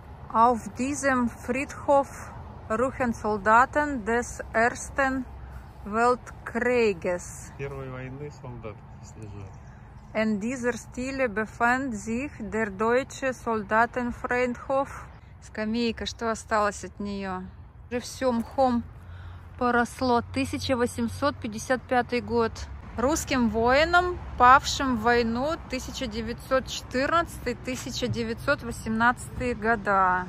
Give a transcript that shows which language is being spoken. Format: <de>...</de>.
<de>Auf diesem Friedhof ruhen Soldaten des Ersten Weltkrieges.</de> <ru>Первой войны солдаты лежат.</ru> <de>In dieser Stille befand sich der deutsche Soldatenfriedhof.</de> <ru>Скамейка, что осталось от нее? Уже все мхом поросло. 1855 год. Русским воинам, павшим в войну 1914-1918 года.</ru>